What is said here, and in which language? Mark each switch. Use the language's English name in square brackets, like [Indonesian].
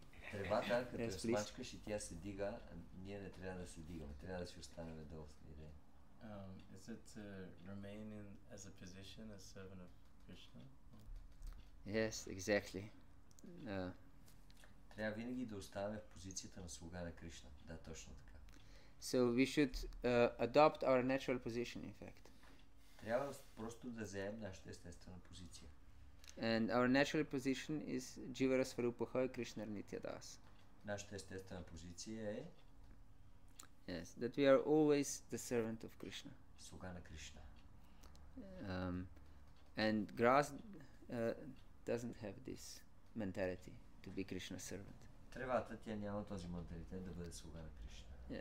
[Bulgarian] Тревата, като я смачкаш и тя се дига, ние не трябва да се дигаме, трябва да си останем долу с нея. [English] Is it to remain in as a position, as servant of Krishna? Yes, exactly. [Bulgarian] Трябва винаги да оставаме в позицията на слуга на Кришна. Да, точно така. [English] So we should adopt our natural position, in fact. [Bulgarian] Трябва просто да заемем нашата естествена позиция. [English] And our natural position is [Sanskrit] Jivara Svarupaha Krishna Nitya Das. [Bulgarian] Нашата естествена позиция е? [English] Yes, that we are always the servant of Krishna. [Bulgarian] Слуга на Кришна. [English] And grass doesn't have this mentality to be Krishna servant. [Bulgarian] Тревата, тя няма този менталитет да бъде слуга на Кришна.